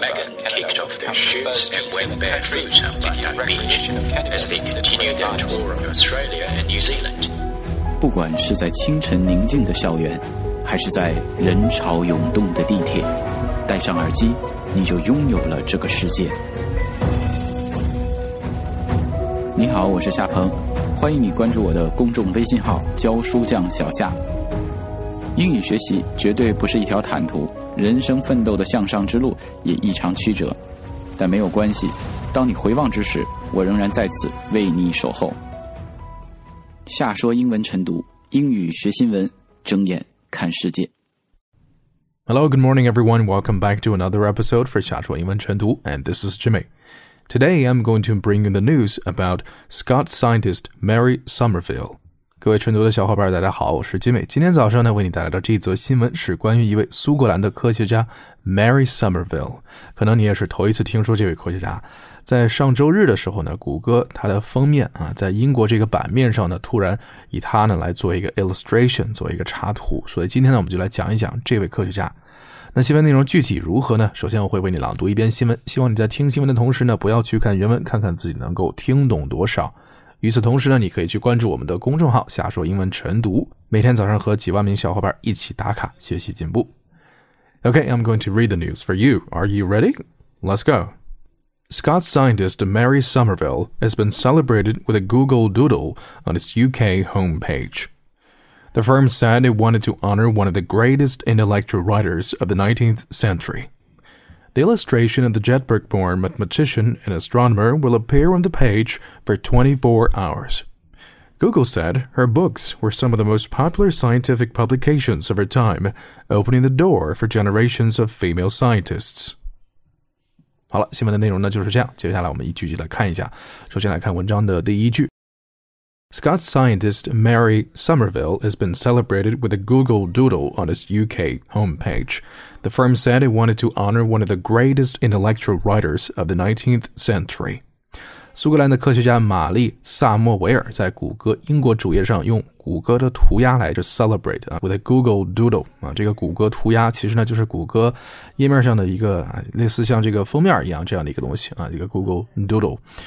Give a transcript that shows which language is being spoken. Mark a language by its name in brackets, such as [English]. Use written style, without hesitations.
[English] Megan kicked off their shoes and went barefoot on the beach as they continued their tour of Australia and New Zealand. [Chinese] 不管是在清晨宁静的校园，还是在人潮涌动的地铁，戴上耳机，你就拥有了这个世界。你好，我是夏鹏，欢迎你关注我的公众微信号教书匠小夏。英语学习绝对不是一条坦途，人生奋斗的向上之路也异常曲折，但没有关系，当你回望之时，我仍然在此为你守候。夏说英文晨读，英语学新闻，睁眼看世界。 [English] Hello, good morning everyone, welcome back to another episode for [Chinese] 夏说英文晨读, [English] and this is Jimmy. Today, I'm going to bring you the news about Scott scientist Mary Somerville. [Chinese] 各位晨读的小伙伴大家好，我是金美。今天早上呢，为你带来的这则新闻是关于一位苏格兰的科学家 Mary Somerville。可能你也是头一次听说这位科学家。在上周日的时候呢，谷歌它的封面啊，在英国这个版面上呢，突然以它呢来做一个 illustration, 做一个插图。所以今天呢，我们就来讲一讲这位科学家。那新闻内容具体如何呢？首先我会为你朗读一遍新闻，希望你在听新闻的同时呢，不要去看原文，看看自己能够听懂多少。与此同时呢，你可以去关注我们的公众号“瞎说英文晨读”，每天早上和几万名小伙伴一起打卡学习进步。 [English] Okay, I'm going to read the news for you. Are you ready? Let's go. Scott scientist Mary Somerville has been celebrated with a Google Doodle on its UK homepage. The firm said it wanted to honor one of the greatest intellectual writers of the 19th century. The illustration of the Jedburgh-born mathematician and astronomer will appear on the page for 24 hours. Google said her books were some of the most popular scientific publications of her time, opening the door for generations of female scientists. [Chinese] 好了，新闻的内容呢就是这样，接下来我们一句句来看一下。首先来看文章的第一句。 [English] Scott scientist Mary Somerville has been celebrated with a Google Doodle on its UK homepage. The firm said it wanted to honor one of the greatest intellectual writers of the 19th century. [Chinese] 苏格兰的科学家玛丽·萨默维尔在谷歌英国主页上用谷歌的涂鸦来着 celebrate、啊、 [English] with a Google Doodle、 [Chinese] 啊、这个谷歌涂鸦其实呢就是谷歌页面上的一个、啊、类似像这个封面一样这样的一个东西、啊、一个 Google Doodle